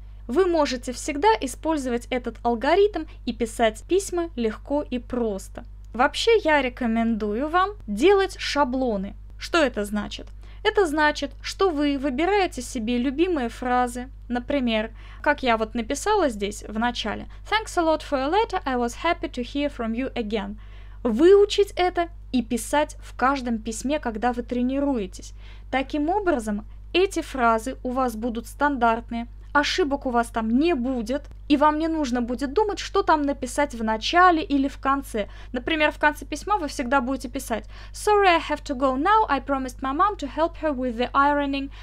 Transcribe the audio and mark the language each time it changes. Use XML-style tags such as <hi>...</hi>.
<ru>Вы можете всегда использовать этот алгоритм и писать письма легко и просто. Вообще, я рекомендую вам делать шаблоны. Что это значит? Это значит, что вы выбираете себе любимые фразы. Например, как я вот написала здесь в начале.</ru> <en>Thanks a lot for your letter. I was happy to hear from you again.</en> <ru>Выучить это и писать в каждом письме, когда вы тренируетесь. Таким образом, эти фразы у вас будут стандартные, ошибок у вас там не будет, и вам не нужно будет думать, что там написать в начале или в конце. Например, в конце письма вы всегда будете писать</ru> <en>Sorry, I have to go now. I promised my mom to help her with the ironing.</en>